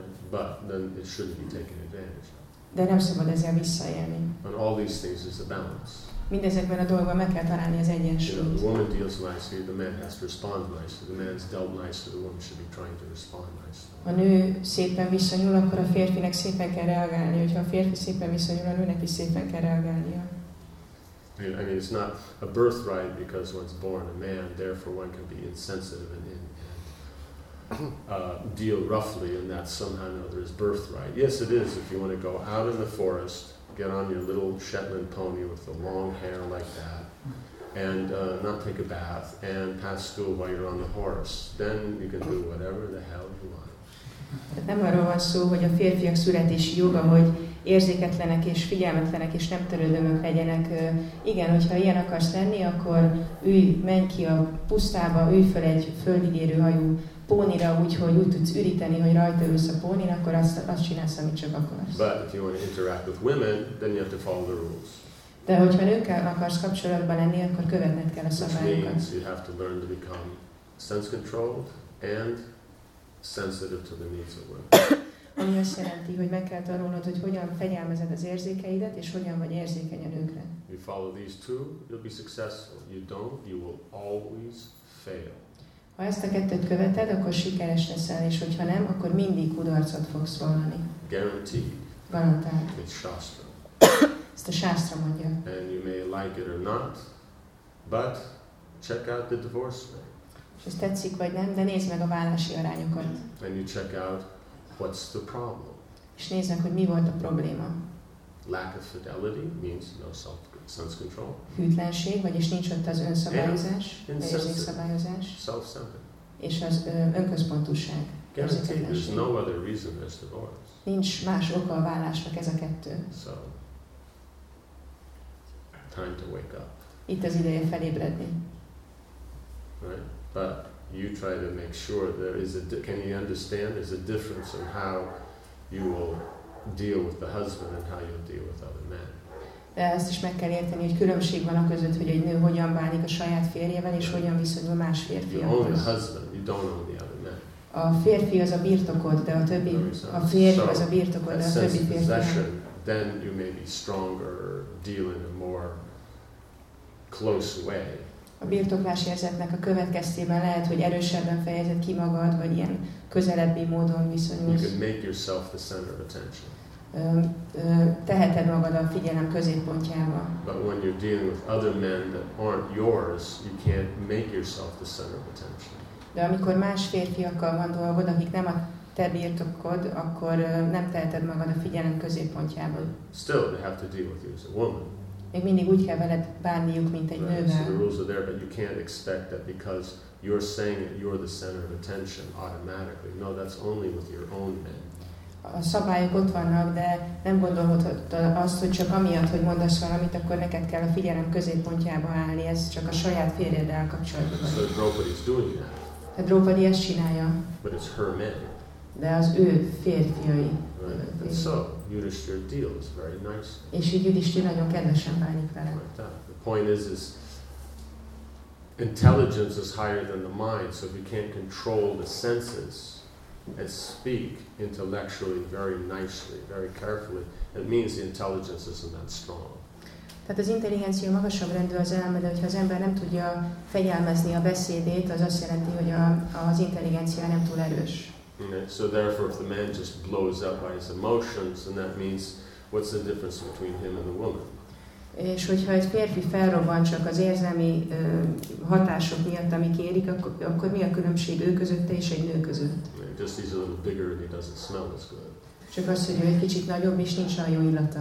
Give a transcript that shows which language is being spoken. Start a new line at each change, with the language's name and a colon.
English: But then it shouldn't be taken advantage of.
Hungarian: De nem szabad ezzel visszaélni.
English: And all these things is a balance.
Hungarian: Mindezekben a dolgokban meg kell találni az egyensúlyt.
English: You know, the woman deals nicely, the man has to respond nicely. The man's dealt nicely, the woman should be trying to respond nicely.
Hungarian: Ha nő szépen viszonyul, akkor a férfinek szépen kell reagálni. Hogyha a férfi szépen viszonyul, a nőnek is szépen kell reagálnia.
English: I mean, it's not a birthright because one's born a man, therefore one can be insensitive and deal roughly, and that somehow or another is birthright. Yes, it is. If you want to go out in the forest, get on your little Shetland pony with the long hair like that, and not take a bath, and pass school while you're on the horse, then you can do whatever the hell you want.
Hungarian: Tehát nem arról van szó, hogy a férfiak születési joga, hogy érzéketlenek és figyelmetlenek és nem törődömök legyenek. Igen, hogyha ilyen akarsz lenni, akkor ülj, menj ki a pusztába, ülj föl egy földigérő hajú pónira, úgyhogy úgy tudsz üríteni, hogy rajta ülsz a pónin, akkor azt csinálsz, amit csak akarsz.
English: But if you want to interact with women, then you have to follow the rules.
Hungarian: De hogyha nőkkel akarsz kapcsolatban lenni, akkor követned kell a szabályokat.
English: Which means you have to learn to become sense-controlled and sensitive to the needs of women.
Hungarian: Ami azt jelenti, hogy meg kell tanulnod, hogy hogyan fegyelmezed az érzékeidet, és hogyan vagy érzékeny a nőkre.
English: You follow these two, you'll be successful. You don't, you will always fail.
Hungarian: Ha ezt a kettőt követed, akkor sikeres leszel, és hogyha nem, akkor mindig kudarcot fogsz vallani.
English: Guaranteed.
Hungarian: Garantált.
English: It's Shastra.
Hungarian: Ezt a Shastra mondja.
English: And you may like it or not, but check out the divorce rate.
Hungarian: És ezt tetszik vagy nem, de nézd meg a válási arányokat.
English: And you check out what's the problem.
Hungarian: És nézd meg, hogy mi volt a probléma.
English: Lack of fidelity means no self-sense control.
Hungarian: Hűtlenség, vagyis nincs ott az önszabályozás, érzékszabályozás.
English: Self-centered.
Hungarian: És az önközpontúság.
English: Guaranteed, there's no other reason there's divorce.
Hungarian: Nincs más oka a válásnak ez a kettő.
English: So, time to wake up.
Hungarian: Itt az ideje felébredni.
English: Right? But you try to make sure there is a can you understand there's a difference in how you will deal with the husband and how you'll deal with other men.
Hungarian: De ezt is meg kell érteni, hogy különbség van a között, hogy egy nő hogyan bánik a saját férjével, és hogyan viszonyul más férfiakhoz.
English: You own the husband, you don't own the other men.
Hungarian: A férfi az a birtokod, de a többi a férj az a birtokod, de a többi férfi.
English: So, possession, then you may be stronger, deal in a more close way.
Hungarian: A birtoklás érzetnek a következtében lehet, hogy erősebben fejezed ki magad, vagy ilyen közelebbi módon viszonyulsz.
English: You can make yourself the center of attention.
Hungarian: Teheted magad a figyelem középpontjába.
English: But when you're dealing with other men that aren't yours, you can't make yourself the center of attention.
Hungarian: De amikor más férfiakkal van dolgod, akik nem a te birtokod, akkor nem teheted magad a figyelem középpontjából.
English: Still, they have to deal with you as a woman.
Hungarian: Még mindig úgy kell veled bánniuk, mint egy
English: right.
Hungarian: nővel.
English: So the rules are there, but you can't expect that because you're saying that you're the center of attention automatically. No, that's only with your own men.
Hungarian: A szabályok ott vannak, de nem gondolhatod azt, hogy csak amiatt, hogy mondasz valamit, akkor neked kell a figyelem középpontjába állni, ez csak a saját férjeddel kapcsolatban.
English: So Draupadi's doing that.
Hungarian: A Draupadi ezt csinálja.
English: But it's her men.
Hungarian: De az ő férfiai.
English: Right. And so, Yudhishthira deals very nice.
Hungarian: És így Yudhishthira nagyon kedvesen bánik vele.
English: Like the point is intelligence is higher than the mind, so if you can't control the senses and speak intellectually very nicely, very carefully, it means the intelligence isn't that strong.
Hungarian: Tehát az intelligencia magasabb rendű az elme, de hogyha az ember nem tudja fegyelmezni a beszédét, az azt jelenti, hogy az intelligencia nem túl erős.
English: Okay. So therefore, if the man just blows up by his emotions, then that means, what's the difference between him and the woman?
Hungarian: És hogyha egy férfi felrobban csak az érzelmi hatások miatt, amik érik, akkor mi a különbség ő között és egy nő között?
English: Okay. Just he's a little bigger and he doesn't smell as good.
Hungarian: Csak az, hogy ő egy kicsit nagyobb és nincs olyan jó illata.